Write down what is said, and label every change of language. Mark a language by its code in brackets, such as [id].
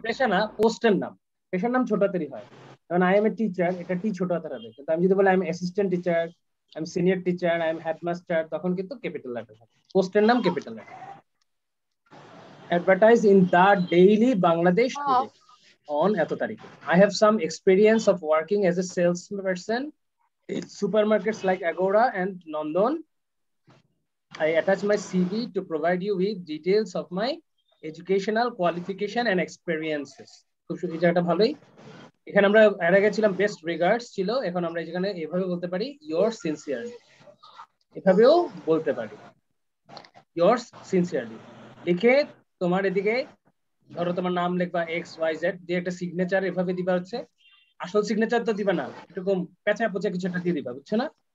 [bn] পেশা না পোস্টের নাম, পেশার নাম ছোট হাতেরই হয়, কারণ [en] I am a teacher, [bn] এটা টি ছোট হাতের হবে, কিন্তু আমি যদি বলি [en] I am assistant teacher, I am senior teacher, I am headmaster, [bn] তখন কিন্তু ক্যাপিটাল লেটার হবে, পোস্টের নাম capital letter. [en] advertise in the daily Bangladesh on [bn] এত তারিখে, [en] I have some experience of working as a sales person supermarkets like Agoda and Nandan. I attach my CV to provide you with details of my educational qualification and experiences. [bn] খুব সুন্দর জায়গাটা ভালোই। এখানে আমরা এর আগে ছিলাম বেস্ট রিগার্ডস ছিল, এখন আমরা এখানে এভাবে বলতে পারি yours sincerely, এভাবেও বলতে পারি yours sincerely, লিখে তোমার এদিকে ধরো তোমার নাম লিখবা x y z দিয়ে একটা সিগনেচার এভাবে দিবা হচ্ছে, আসল সিগনেচার তো দিবা না, এরকম পেঁচা পচা কিছু একটা দিয়ে দিবা, বুঝছো না?